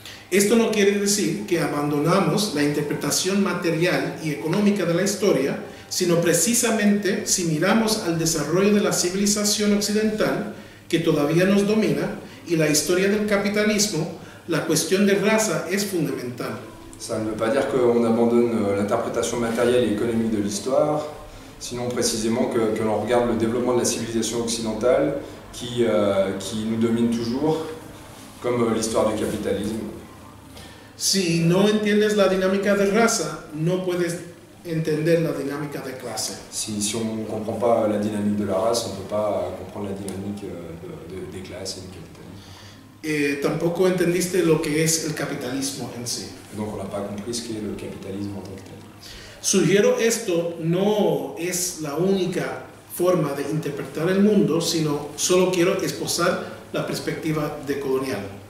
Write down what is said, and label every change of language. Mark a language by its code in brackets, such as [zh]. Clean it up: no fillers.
[es] Esto no quiere decir que abandonamos la interpretación material y económica de la historia, sino precisamente si miramos al desarrollo de la civilización occidental que todavía nos domina y la historia del capitalismo, la cuestión de raza es fundamental. [fr] Ça ne veut pas dire qu'on abandonne l'interprétation matérielle et économique de l'histoire, sinon précisément que l'on regarde le développement de la civilisation occidentale qui nous domine toujours, comme l'histoire du capitalisme. [es] Si no entiendes la dinámica de raza, no puedes entender la dinámica de clase. [fr] Si on ne comprend pas la dynamique de la race, on ne peut pas comprendre la dynamique des classes et du capitalisme. [es] Tampoco entendiste lo que es el capitalismo en sí. [fr] Donc on n'a pas compris ce qu'est le capitalisme en tant que tel. [es] Sugiero esto no es la única forma de interpretar el mundo, sino solo quiero esposar la perspectiva decolonial.